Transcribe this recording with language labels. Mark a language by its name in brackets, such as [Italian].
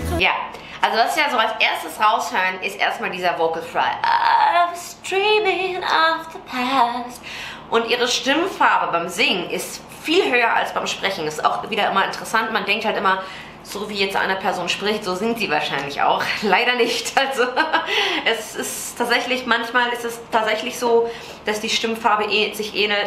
[German] control. Ja, also was wir ja so als erstes raushören, ist erstmal dieser Vocal Fry. [English] I was dreaming of the past. [German] Und ihre Stimmfarbe beim Singen ist viel höher als beim Sprechen. Ist auch wieder immer interessant. Man denkt halt immer, so wie jetzt eine Person spricht, so singt sie wahrscheinlich auch. Leider nicht. Also es ist tatsächlich, manchmal ist es tatsächlich so, dass die Stimmfarbe sich ähnelt.